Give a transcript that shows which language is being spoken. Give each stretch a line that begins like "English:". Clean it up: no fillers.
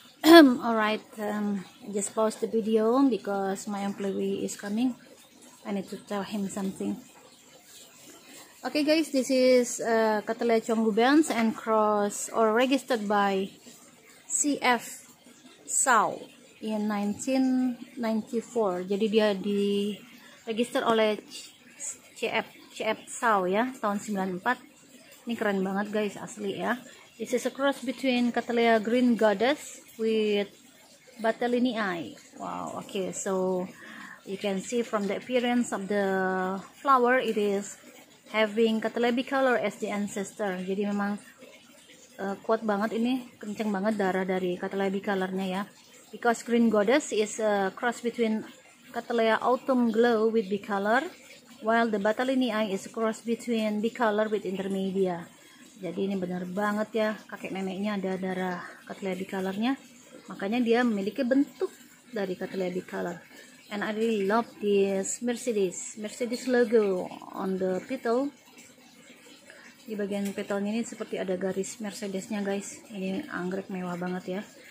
English: Alright, just pause the video because my employee is coming. I need to tell him something. Okay guys, this is cattleya Chongguibens and cross or registered by CF Sau in 1994.
Indonesian: Jadi dia di register oleh CF Sau ya, tahun 94. Ini keren banget guys, asli ya.
English: This is a cross between cattleya Green Goddess with Batelinii. Wow, okay. So you can see from the appearance of the flower, it is having Cattleya bicolor as the ancestor.
Indonesian: Jadi memang kuat banget ini, kenceng banget darah dari Cattleya bicolornya ya.
English: Because Green Goddess is a cross between Cattleya Autumn Glow with bicolor, while the Batelinii is a cross between bicolor with intermedia.
Indonesian: Jadi ini benar banget ya, kakek neneknya ada darah Cattleya bicolornya, makanya dia memiliki bentuk dari Cattleya bicolor.
English: And I really love this Mercedes logo on the petal.
Indonesian: Di bagian petalnya ini seperti ada garis Mercedesnya guys. Ini anggrek mewah banget ya.